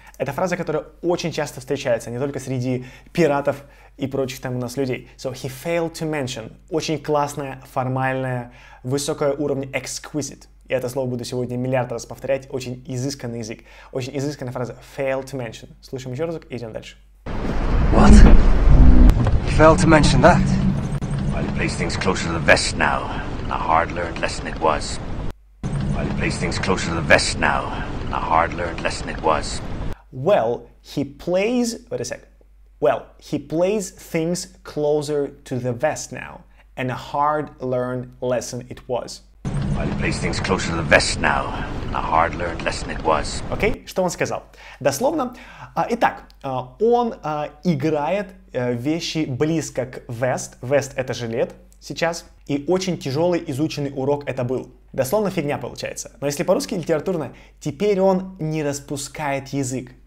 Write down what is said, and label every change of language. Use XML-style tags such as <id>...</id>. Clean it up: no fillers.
<ru>Это фраза, которая очень часто встречается, не только среди пиратов и прочих там у нас людей.</ru> <en>So, he failed to mention.</en> <ru>Очень классная, формальная, высокая уровень exquisite. Я это слово буду сегодня миллиард раз повторять. Очень изысканный язык. Очень изысканная фраза.</ru> <en>Fail to mention.</en> <ru>Слушаем еще разок и идем дальше.</ru> <en>What? He failed to mention that? Well, he placed things closer to the vest now. A hard-learned lesson it was. Well, he placed things closer to the vest now. A hard-learned lesson it was. Well, he plays... Wait a sec. Well, he plays things closer to the vest now. And a hard-learned lesson it was. Well, he plays things closer to the vest now. A hard-learned lesson it was.</en> <ru>Окей, что он сказал? Дословно. Итак, он играет вещи близко к vest. Vest — это жилет сейчас. И очень тяжелый изученный урок это был. Дословно фигня получается. Но если по-русски литературно, теперь он не распускает язык.</ru>